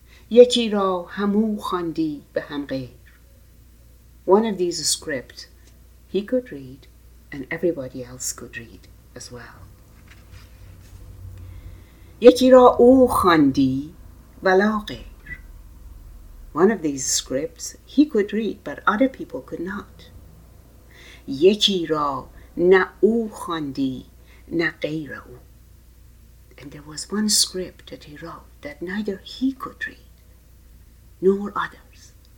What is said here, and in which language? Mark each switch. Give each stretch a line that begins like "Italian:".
Persian: یکی را همو خواندی به هم غیر.
English: One of these scripts he could read and everybody else could read as well.
Persian: یکی را او خواندی ولا غیر.
English: One of these scripts he could read but other people could not.
Persian: یکی را نه او خواندی نه غیر او.
English: And there was one script that he wrote that neither he could read nor others.